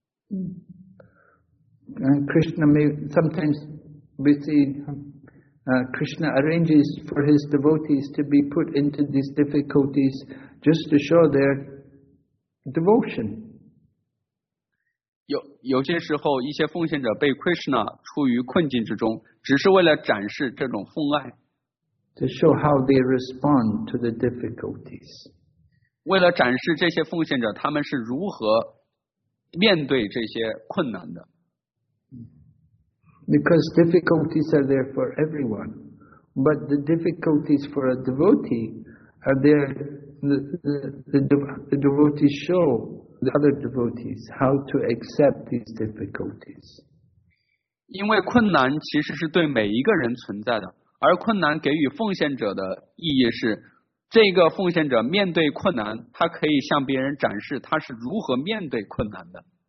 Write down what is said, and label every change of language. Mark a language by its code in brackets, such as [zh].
[en] Krishna may sometimes we see Krishna arranges for his devotees to be put into these difficulties just to show their devotion. [zh] 有些时候，一些奉献者被 Krishna 处于困境之中，只是为了展示这种奉爱。 [en] To show how they respond to the difficulties. [zh] 为了展示这些奉献者他们是如何面对这些困难的。 [en] Because difficulties are there for everyone, but the difficulties for a devotee are there. The devotees show. The other devotees, how to accept these difficulties? [zh] 因为困难其实是对每一个人存在的，而困难给予奉献者的意义是，这个奉献者面对困难，他可以向别人展示他是如何面对困难的。